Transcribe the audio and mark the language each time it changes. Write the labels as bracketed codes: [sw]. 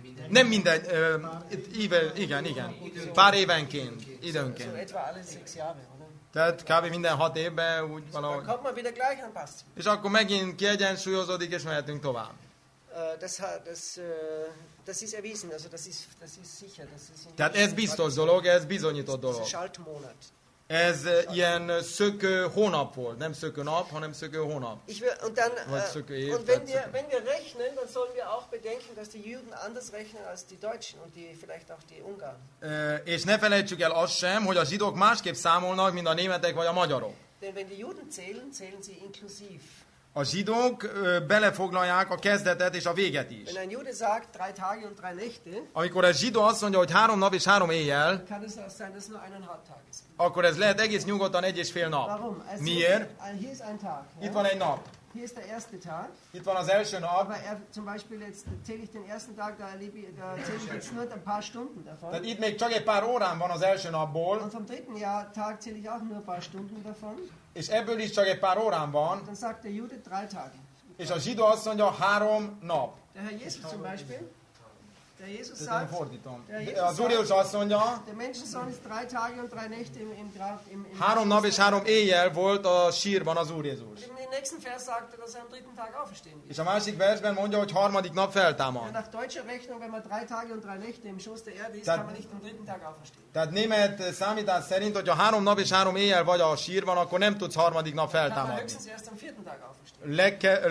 [hu] Nem minden évvel, igen, igen. Pár évenként, időnként. Tehát kb. Minden hat évben úgy valahogy. És akkor megint kiegyensúlyozódik, és mehetünk tovább. [de] Das ist erwiesen, also das ist sicher, das ist. [hu] Tehát ez biztos dolog, ez bizonyított dolog. Ez ilyen szökő hónap volt, nem szökő nap, hanem szökő hónap. [de] Wenn wir rechnen, dann sollen wir auch bedenken, dass die Juden anders rechnen als die Deutschen und die vielleicht auch die Ungarn. [hu] És ne felejtsük el azt sem, hogy a zsidók másképp számolnak, mint a németek vagy a magyarok. [de] Denn wenn die Juden zählen, zählen sie inklusiv. [hu] A zsidók belefoglalják a kezdetet és a véget is. [de] Wenn ein Jude sagt, drei Tage und drei Nächte, [hu] amikor egy zsidó azt mondja, hogy három nap és három éjjel, [de] kann es auch sein, dass nur eineinhalb Tage ist. [hu] Akkor ez lehet egész nyugodtan egy és fél nap. [de] Warum? [hu] Also, miért? [de] Hier ist ein Tag, [hu] itt van egy nap. [de] Hier ist der erste Tag. [hu] Itt van az első nap. [de] Aber zum Beispiel jetzt zähle ich den ersten Tag, da zähle ich jetzt nur ein paar Stunden davon. [hu] Tehát itt még csak egy pár órán van az első napból. [de] Und vom dritten Jahr Tag zähle ich auch nur ein paar Stunden davon. [hu] És ebből is csak egy pár órán van. [de] Dann sagt der Jude drei Tage. [hu] És a zsidó azt mondja három nap. [de] Der Herr Jesus zum Beispiel. Der Jesus sagt. [hu] Nem fordítom. Az Úr Jézus azt mondja. [de] Der Menschensohn ist drei Tage und drei Nächte im Grab. [hu] Három nap és három éjjel volt a sírban az Úr Jézus. [de] Im nächsten Vers sagt er, dass er am dritten Tag auferstehen wird. [hu] És a másik versben mondja, hogy harmadik nap feltámad. [de] Nach deutscher Rechnung, wenn man drei Tage und drei Nächte im Schoß der Erde ist, kann man nicht am dritten Tag auferstehen. [hu] Tehát német számítás szerint, hogyha három nap és három éjjel vagy a sírban, akkor nem tudsz harmadik nap feltámadni. [de] Dann höchstens erst am vierten Tag auferstehen.